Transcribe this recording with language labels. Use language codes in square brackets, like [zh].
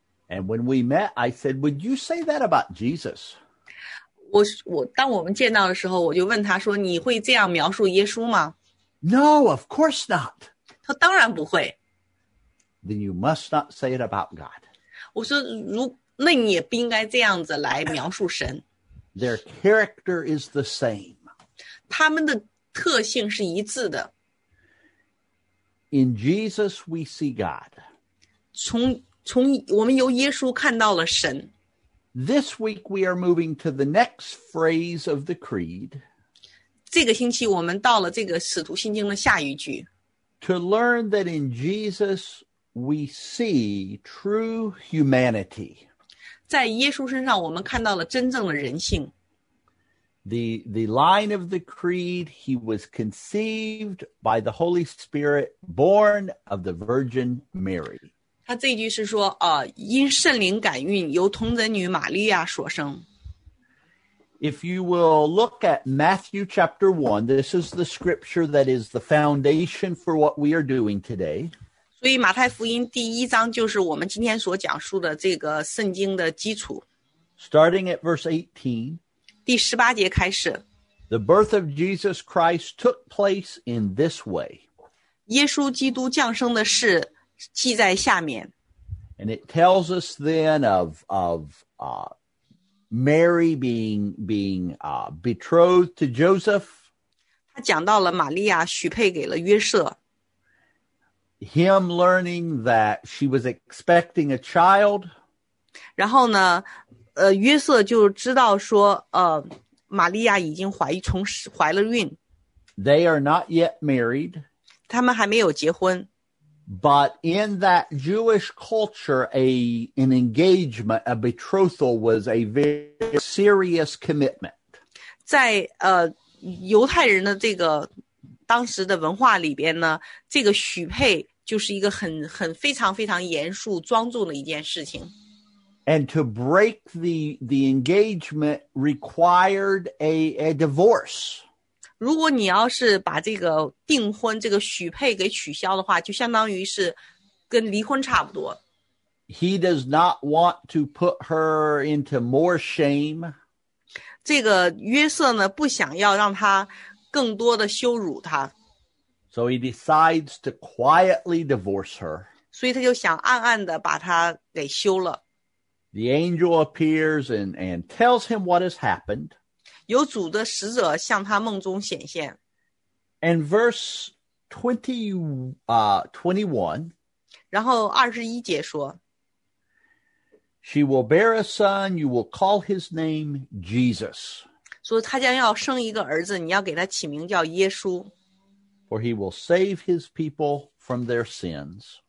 [en] And when we met, I said, would you say that about Jesus? [zh] 当我们见到的时候，我就问他说，你会这样描述耶稣吗？ [en] No, of course not. [zh] 他当然不会。 [en] Then you must not say it about God. [zh] 我说，那你也不应该这样子来描述神。 [en] Their character is the same. [zh] 他们的特性是一致的。 [en] In Jesus, we see God. [zh] 从我们由耶稣看到了神。 [en] This week we are moving to the next phrase of the creed. [zh] 这个星期我们到了这个使徒信经的下一句。 [en] To learn that in Jesus we see true humanity. [zh] 在耶稣身上我们看到了真正的人性。 [en] The line of the creed, he was conceived by the Holy Spirit, born of the Virgin Mary. [zh] 他这一句是说因圣灵感孕，由童贞女玛利亚所生。 [en] If you will look at Matthew chapter 1, this is the scripture that is the foundation for what we are doing today. [zh] 所以马太福音第一章就是我们今天所讲述的这个圣经的基础。 [en] Starting at verse 18. [zh] 第十八节开始。 [en] The birth of Jesus Christ took place in this way. [zh] 耶稣基督降生的事记在下面。 [en] And it tells us then of Mary being betrothed to Joseph. [zh] 他讲到了玛利亚许配给了约瑟。 [en] Him learning that she was expecting a child. [zh] 然后呢，约瑟就知道说，玛利亚已经怀了孕。 [en] They are not yet married. [zh] 他们还没有结婚。 [en] But in that Jewish culture, an engagement, a betrothal was a very serious commitment. [zh] 在犹太人的这个当时的文化里边呢，这个许配就是一个很非常非常严肃庄重的一件事情。 [en] And to break the engagement required a divorce. [zh] 如果你要是把这个订婚这个许配给取消的话，就相当于是跟离婚差不多。 [en] He does not want to put her into more shame. [zh] 这个约瑟呢，不想要让他更多的羞辱他。 [en] So he decides to quietly divorce her. [zh] 所以他就想暗暗的把他给休了。 [en] The angel appears and tells him what has happened. [zh] 有主的使者向他梦中显现。 [en] And verse 21. [zh] 然后二十一节说。 [en] She will bear a son, you will call his name Jesus. [zh] 说他将要生一个儿子，你要给他起名叫耶稣。 [en] For he will save his people from their sins.